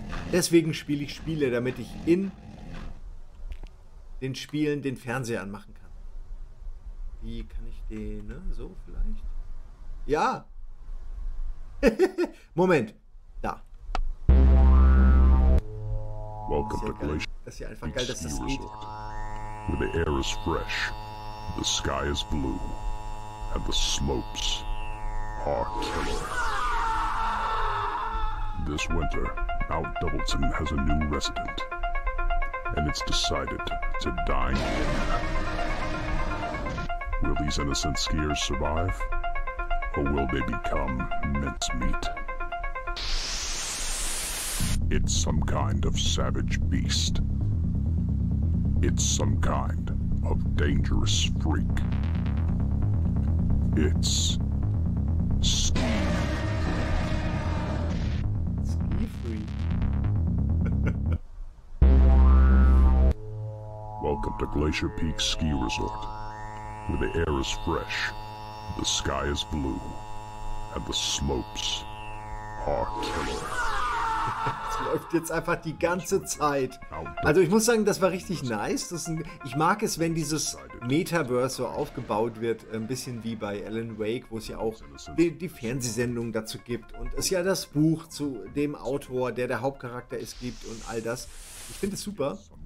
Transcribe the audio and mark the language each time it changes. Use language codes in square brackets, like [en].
[de] Deswegen spiele ich Spiele, damit ich in den Spielen den Fernseher anmachen kann. Wie kann ich den, ne? So vielleicht? Ja. Moment. Da. [en] Welcome to Glacier. [de] Das ist ja einfach geil, dass das geht. [en] Where the air is fresh, the sky is blue, and the slopes are killer. This winter, Mount Doubleton has a new resident, and it's decided to dine in. Will these innocent skiers survive, or will they become mincemeat? It's some kind of savage beast. It's some kind of dangerous freak. It's ski. Welcome to Glacier Peak Ski Resort, where the air is fresh, the sky is blue, and the slopes are killer. [de] Es läuft jetzt einfach die ganze Zeit. Also ich muss sagen, das war richtig nice. Ich mag es, wenn dieses Metaverse so aufgebaut wird, ein bisschen wie bei Alan Wake, wo es ja auch die Fernsehsendung dazu gibt und es ja das Buch zu dem Autor, der Hauptcharakter ist, gibt und all das. Ich finde es super.